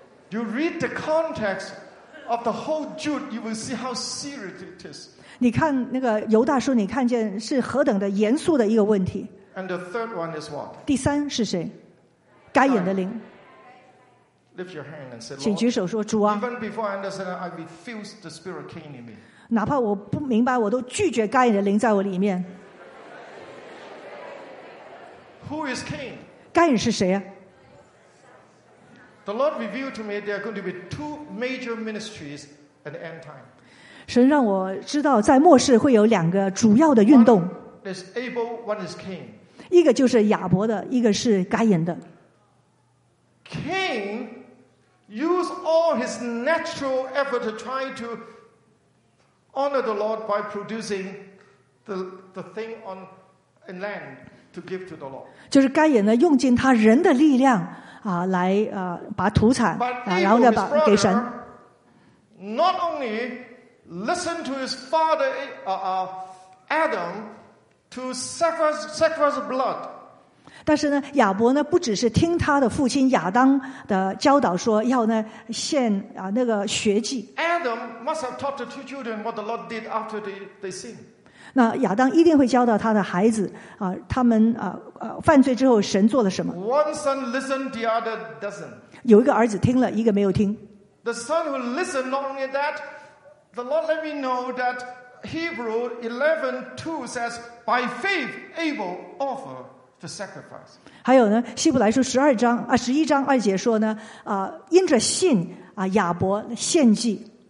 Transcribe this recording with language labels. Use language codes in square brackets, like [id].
[en] You read the context of the whole Jude, you will see how serious it is. [zh] 你看那个犹大书，你看见是何等的严肃的一个问题。 [en] And the third one is what? [zh] 第三是谁？该隐的灵。 [en] Lift your hand and say, Lord, [zh] 请举手说主啊。 [en] Even before I understand, I refuse the spirit came in me. [zh] 哪怕我不明白，我都拒绝该隐的灵在我里面。 [en] Who is Cain? [zh] 该隐是谁啊？ [en] The Lord revealed to me there are going to be two major ministries at the end time. [zh] 神让我知道在末世会有两个主要的运动。 [en] One is Abel, one is Cain. [zh] 一个就是亚伯的，一个是该隐的。 [en] Cain used all his natural effort to try to honor the Lord by producing the thing on land to give to the Lord. [zh] 就是该隐呢，用尽他人的力量。来把土产然后再把给神。 [en] Not only listen to his father Adam to sacrifice blood. [zh] 但是呢，亚伯呢不只是听他的父亲亚当的教导说要呢献那个血祭。 [en] Adam must have taught the two children what the Lord did after they sinned. [zh] 那亚当一定会教导他的孩子他们犯罪之后神做了什么。 [en] One son listened, the other doesn't. [zh] 有一个儿子听了，一个没有听。 [en] The son who listened, not only that, the Lord let me know that Hebrew 11:2 says, by faith Abel offered the sacrifice. [zh] 还有呢，希伯来书11:2说呢，因着信亚伯献祭。